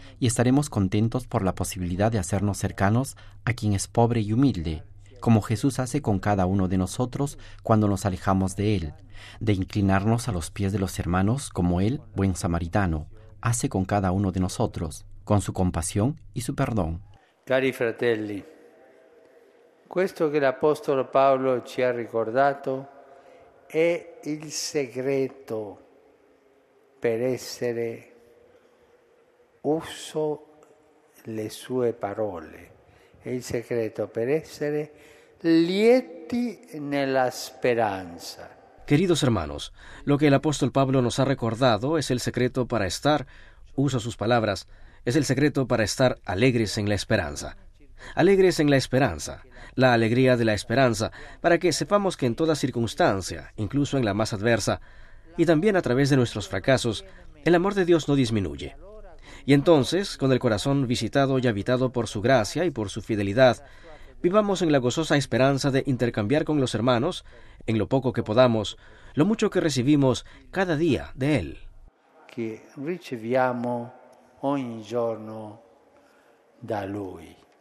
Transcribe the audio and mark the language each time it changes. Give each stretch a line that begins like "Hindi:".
Spanish: y estaremos contentos por la posibilidad de hacernos cercanos a quien es pobre y humilde, como Jesús hace con cada uno de nosotros cuando nos alejamos de Él, de inclinarnos a los pies de los hermanos como Él, buen samaritano, hace con cada uno de nosotros, con su compasión y su perdón.
Italian: Cari fratelli, questo che l'apostolo Paolo ci ha ricordato è il segreto per essere uso le sue parole, è il segreto per essere lieti nella speranza.
Spanish: Queridos hermanos, lo que el apóstol Pablo nos ha recordado es el secreto para estar, uso sus palabras, es el secreto para estar alegres en la esperanza. Alegres en la esperanza, la alegría de la esperanza, para que sepamos que en toda circunstancia, incluso en la más adversa, y también a través de nuestros fracasos, el amor de Dios no disminuye. Y entonces, con el corazón visitado y habitado por su gracia y por su fidelidad, vivamos en la gozosa esperanza de intercambiar con los hermanos, en lo poco que podamos, lo mucho que recibimos cada día de Él.
Italian: Que recibiamo ogni giorno da Lui.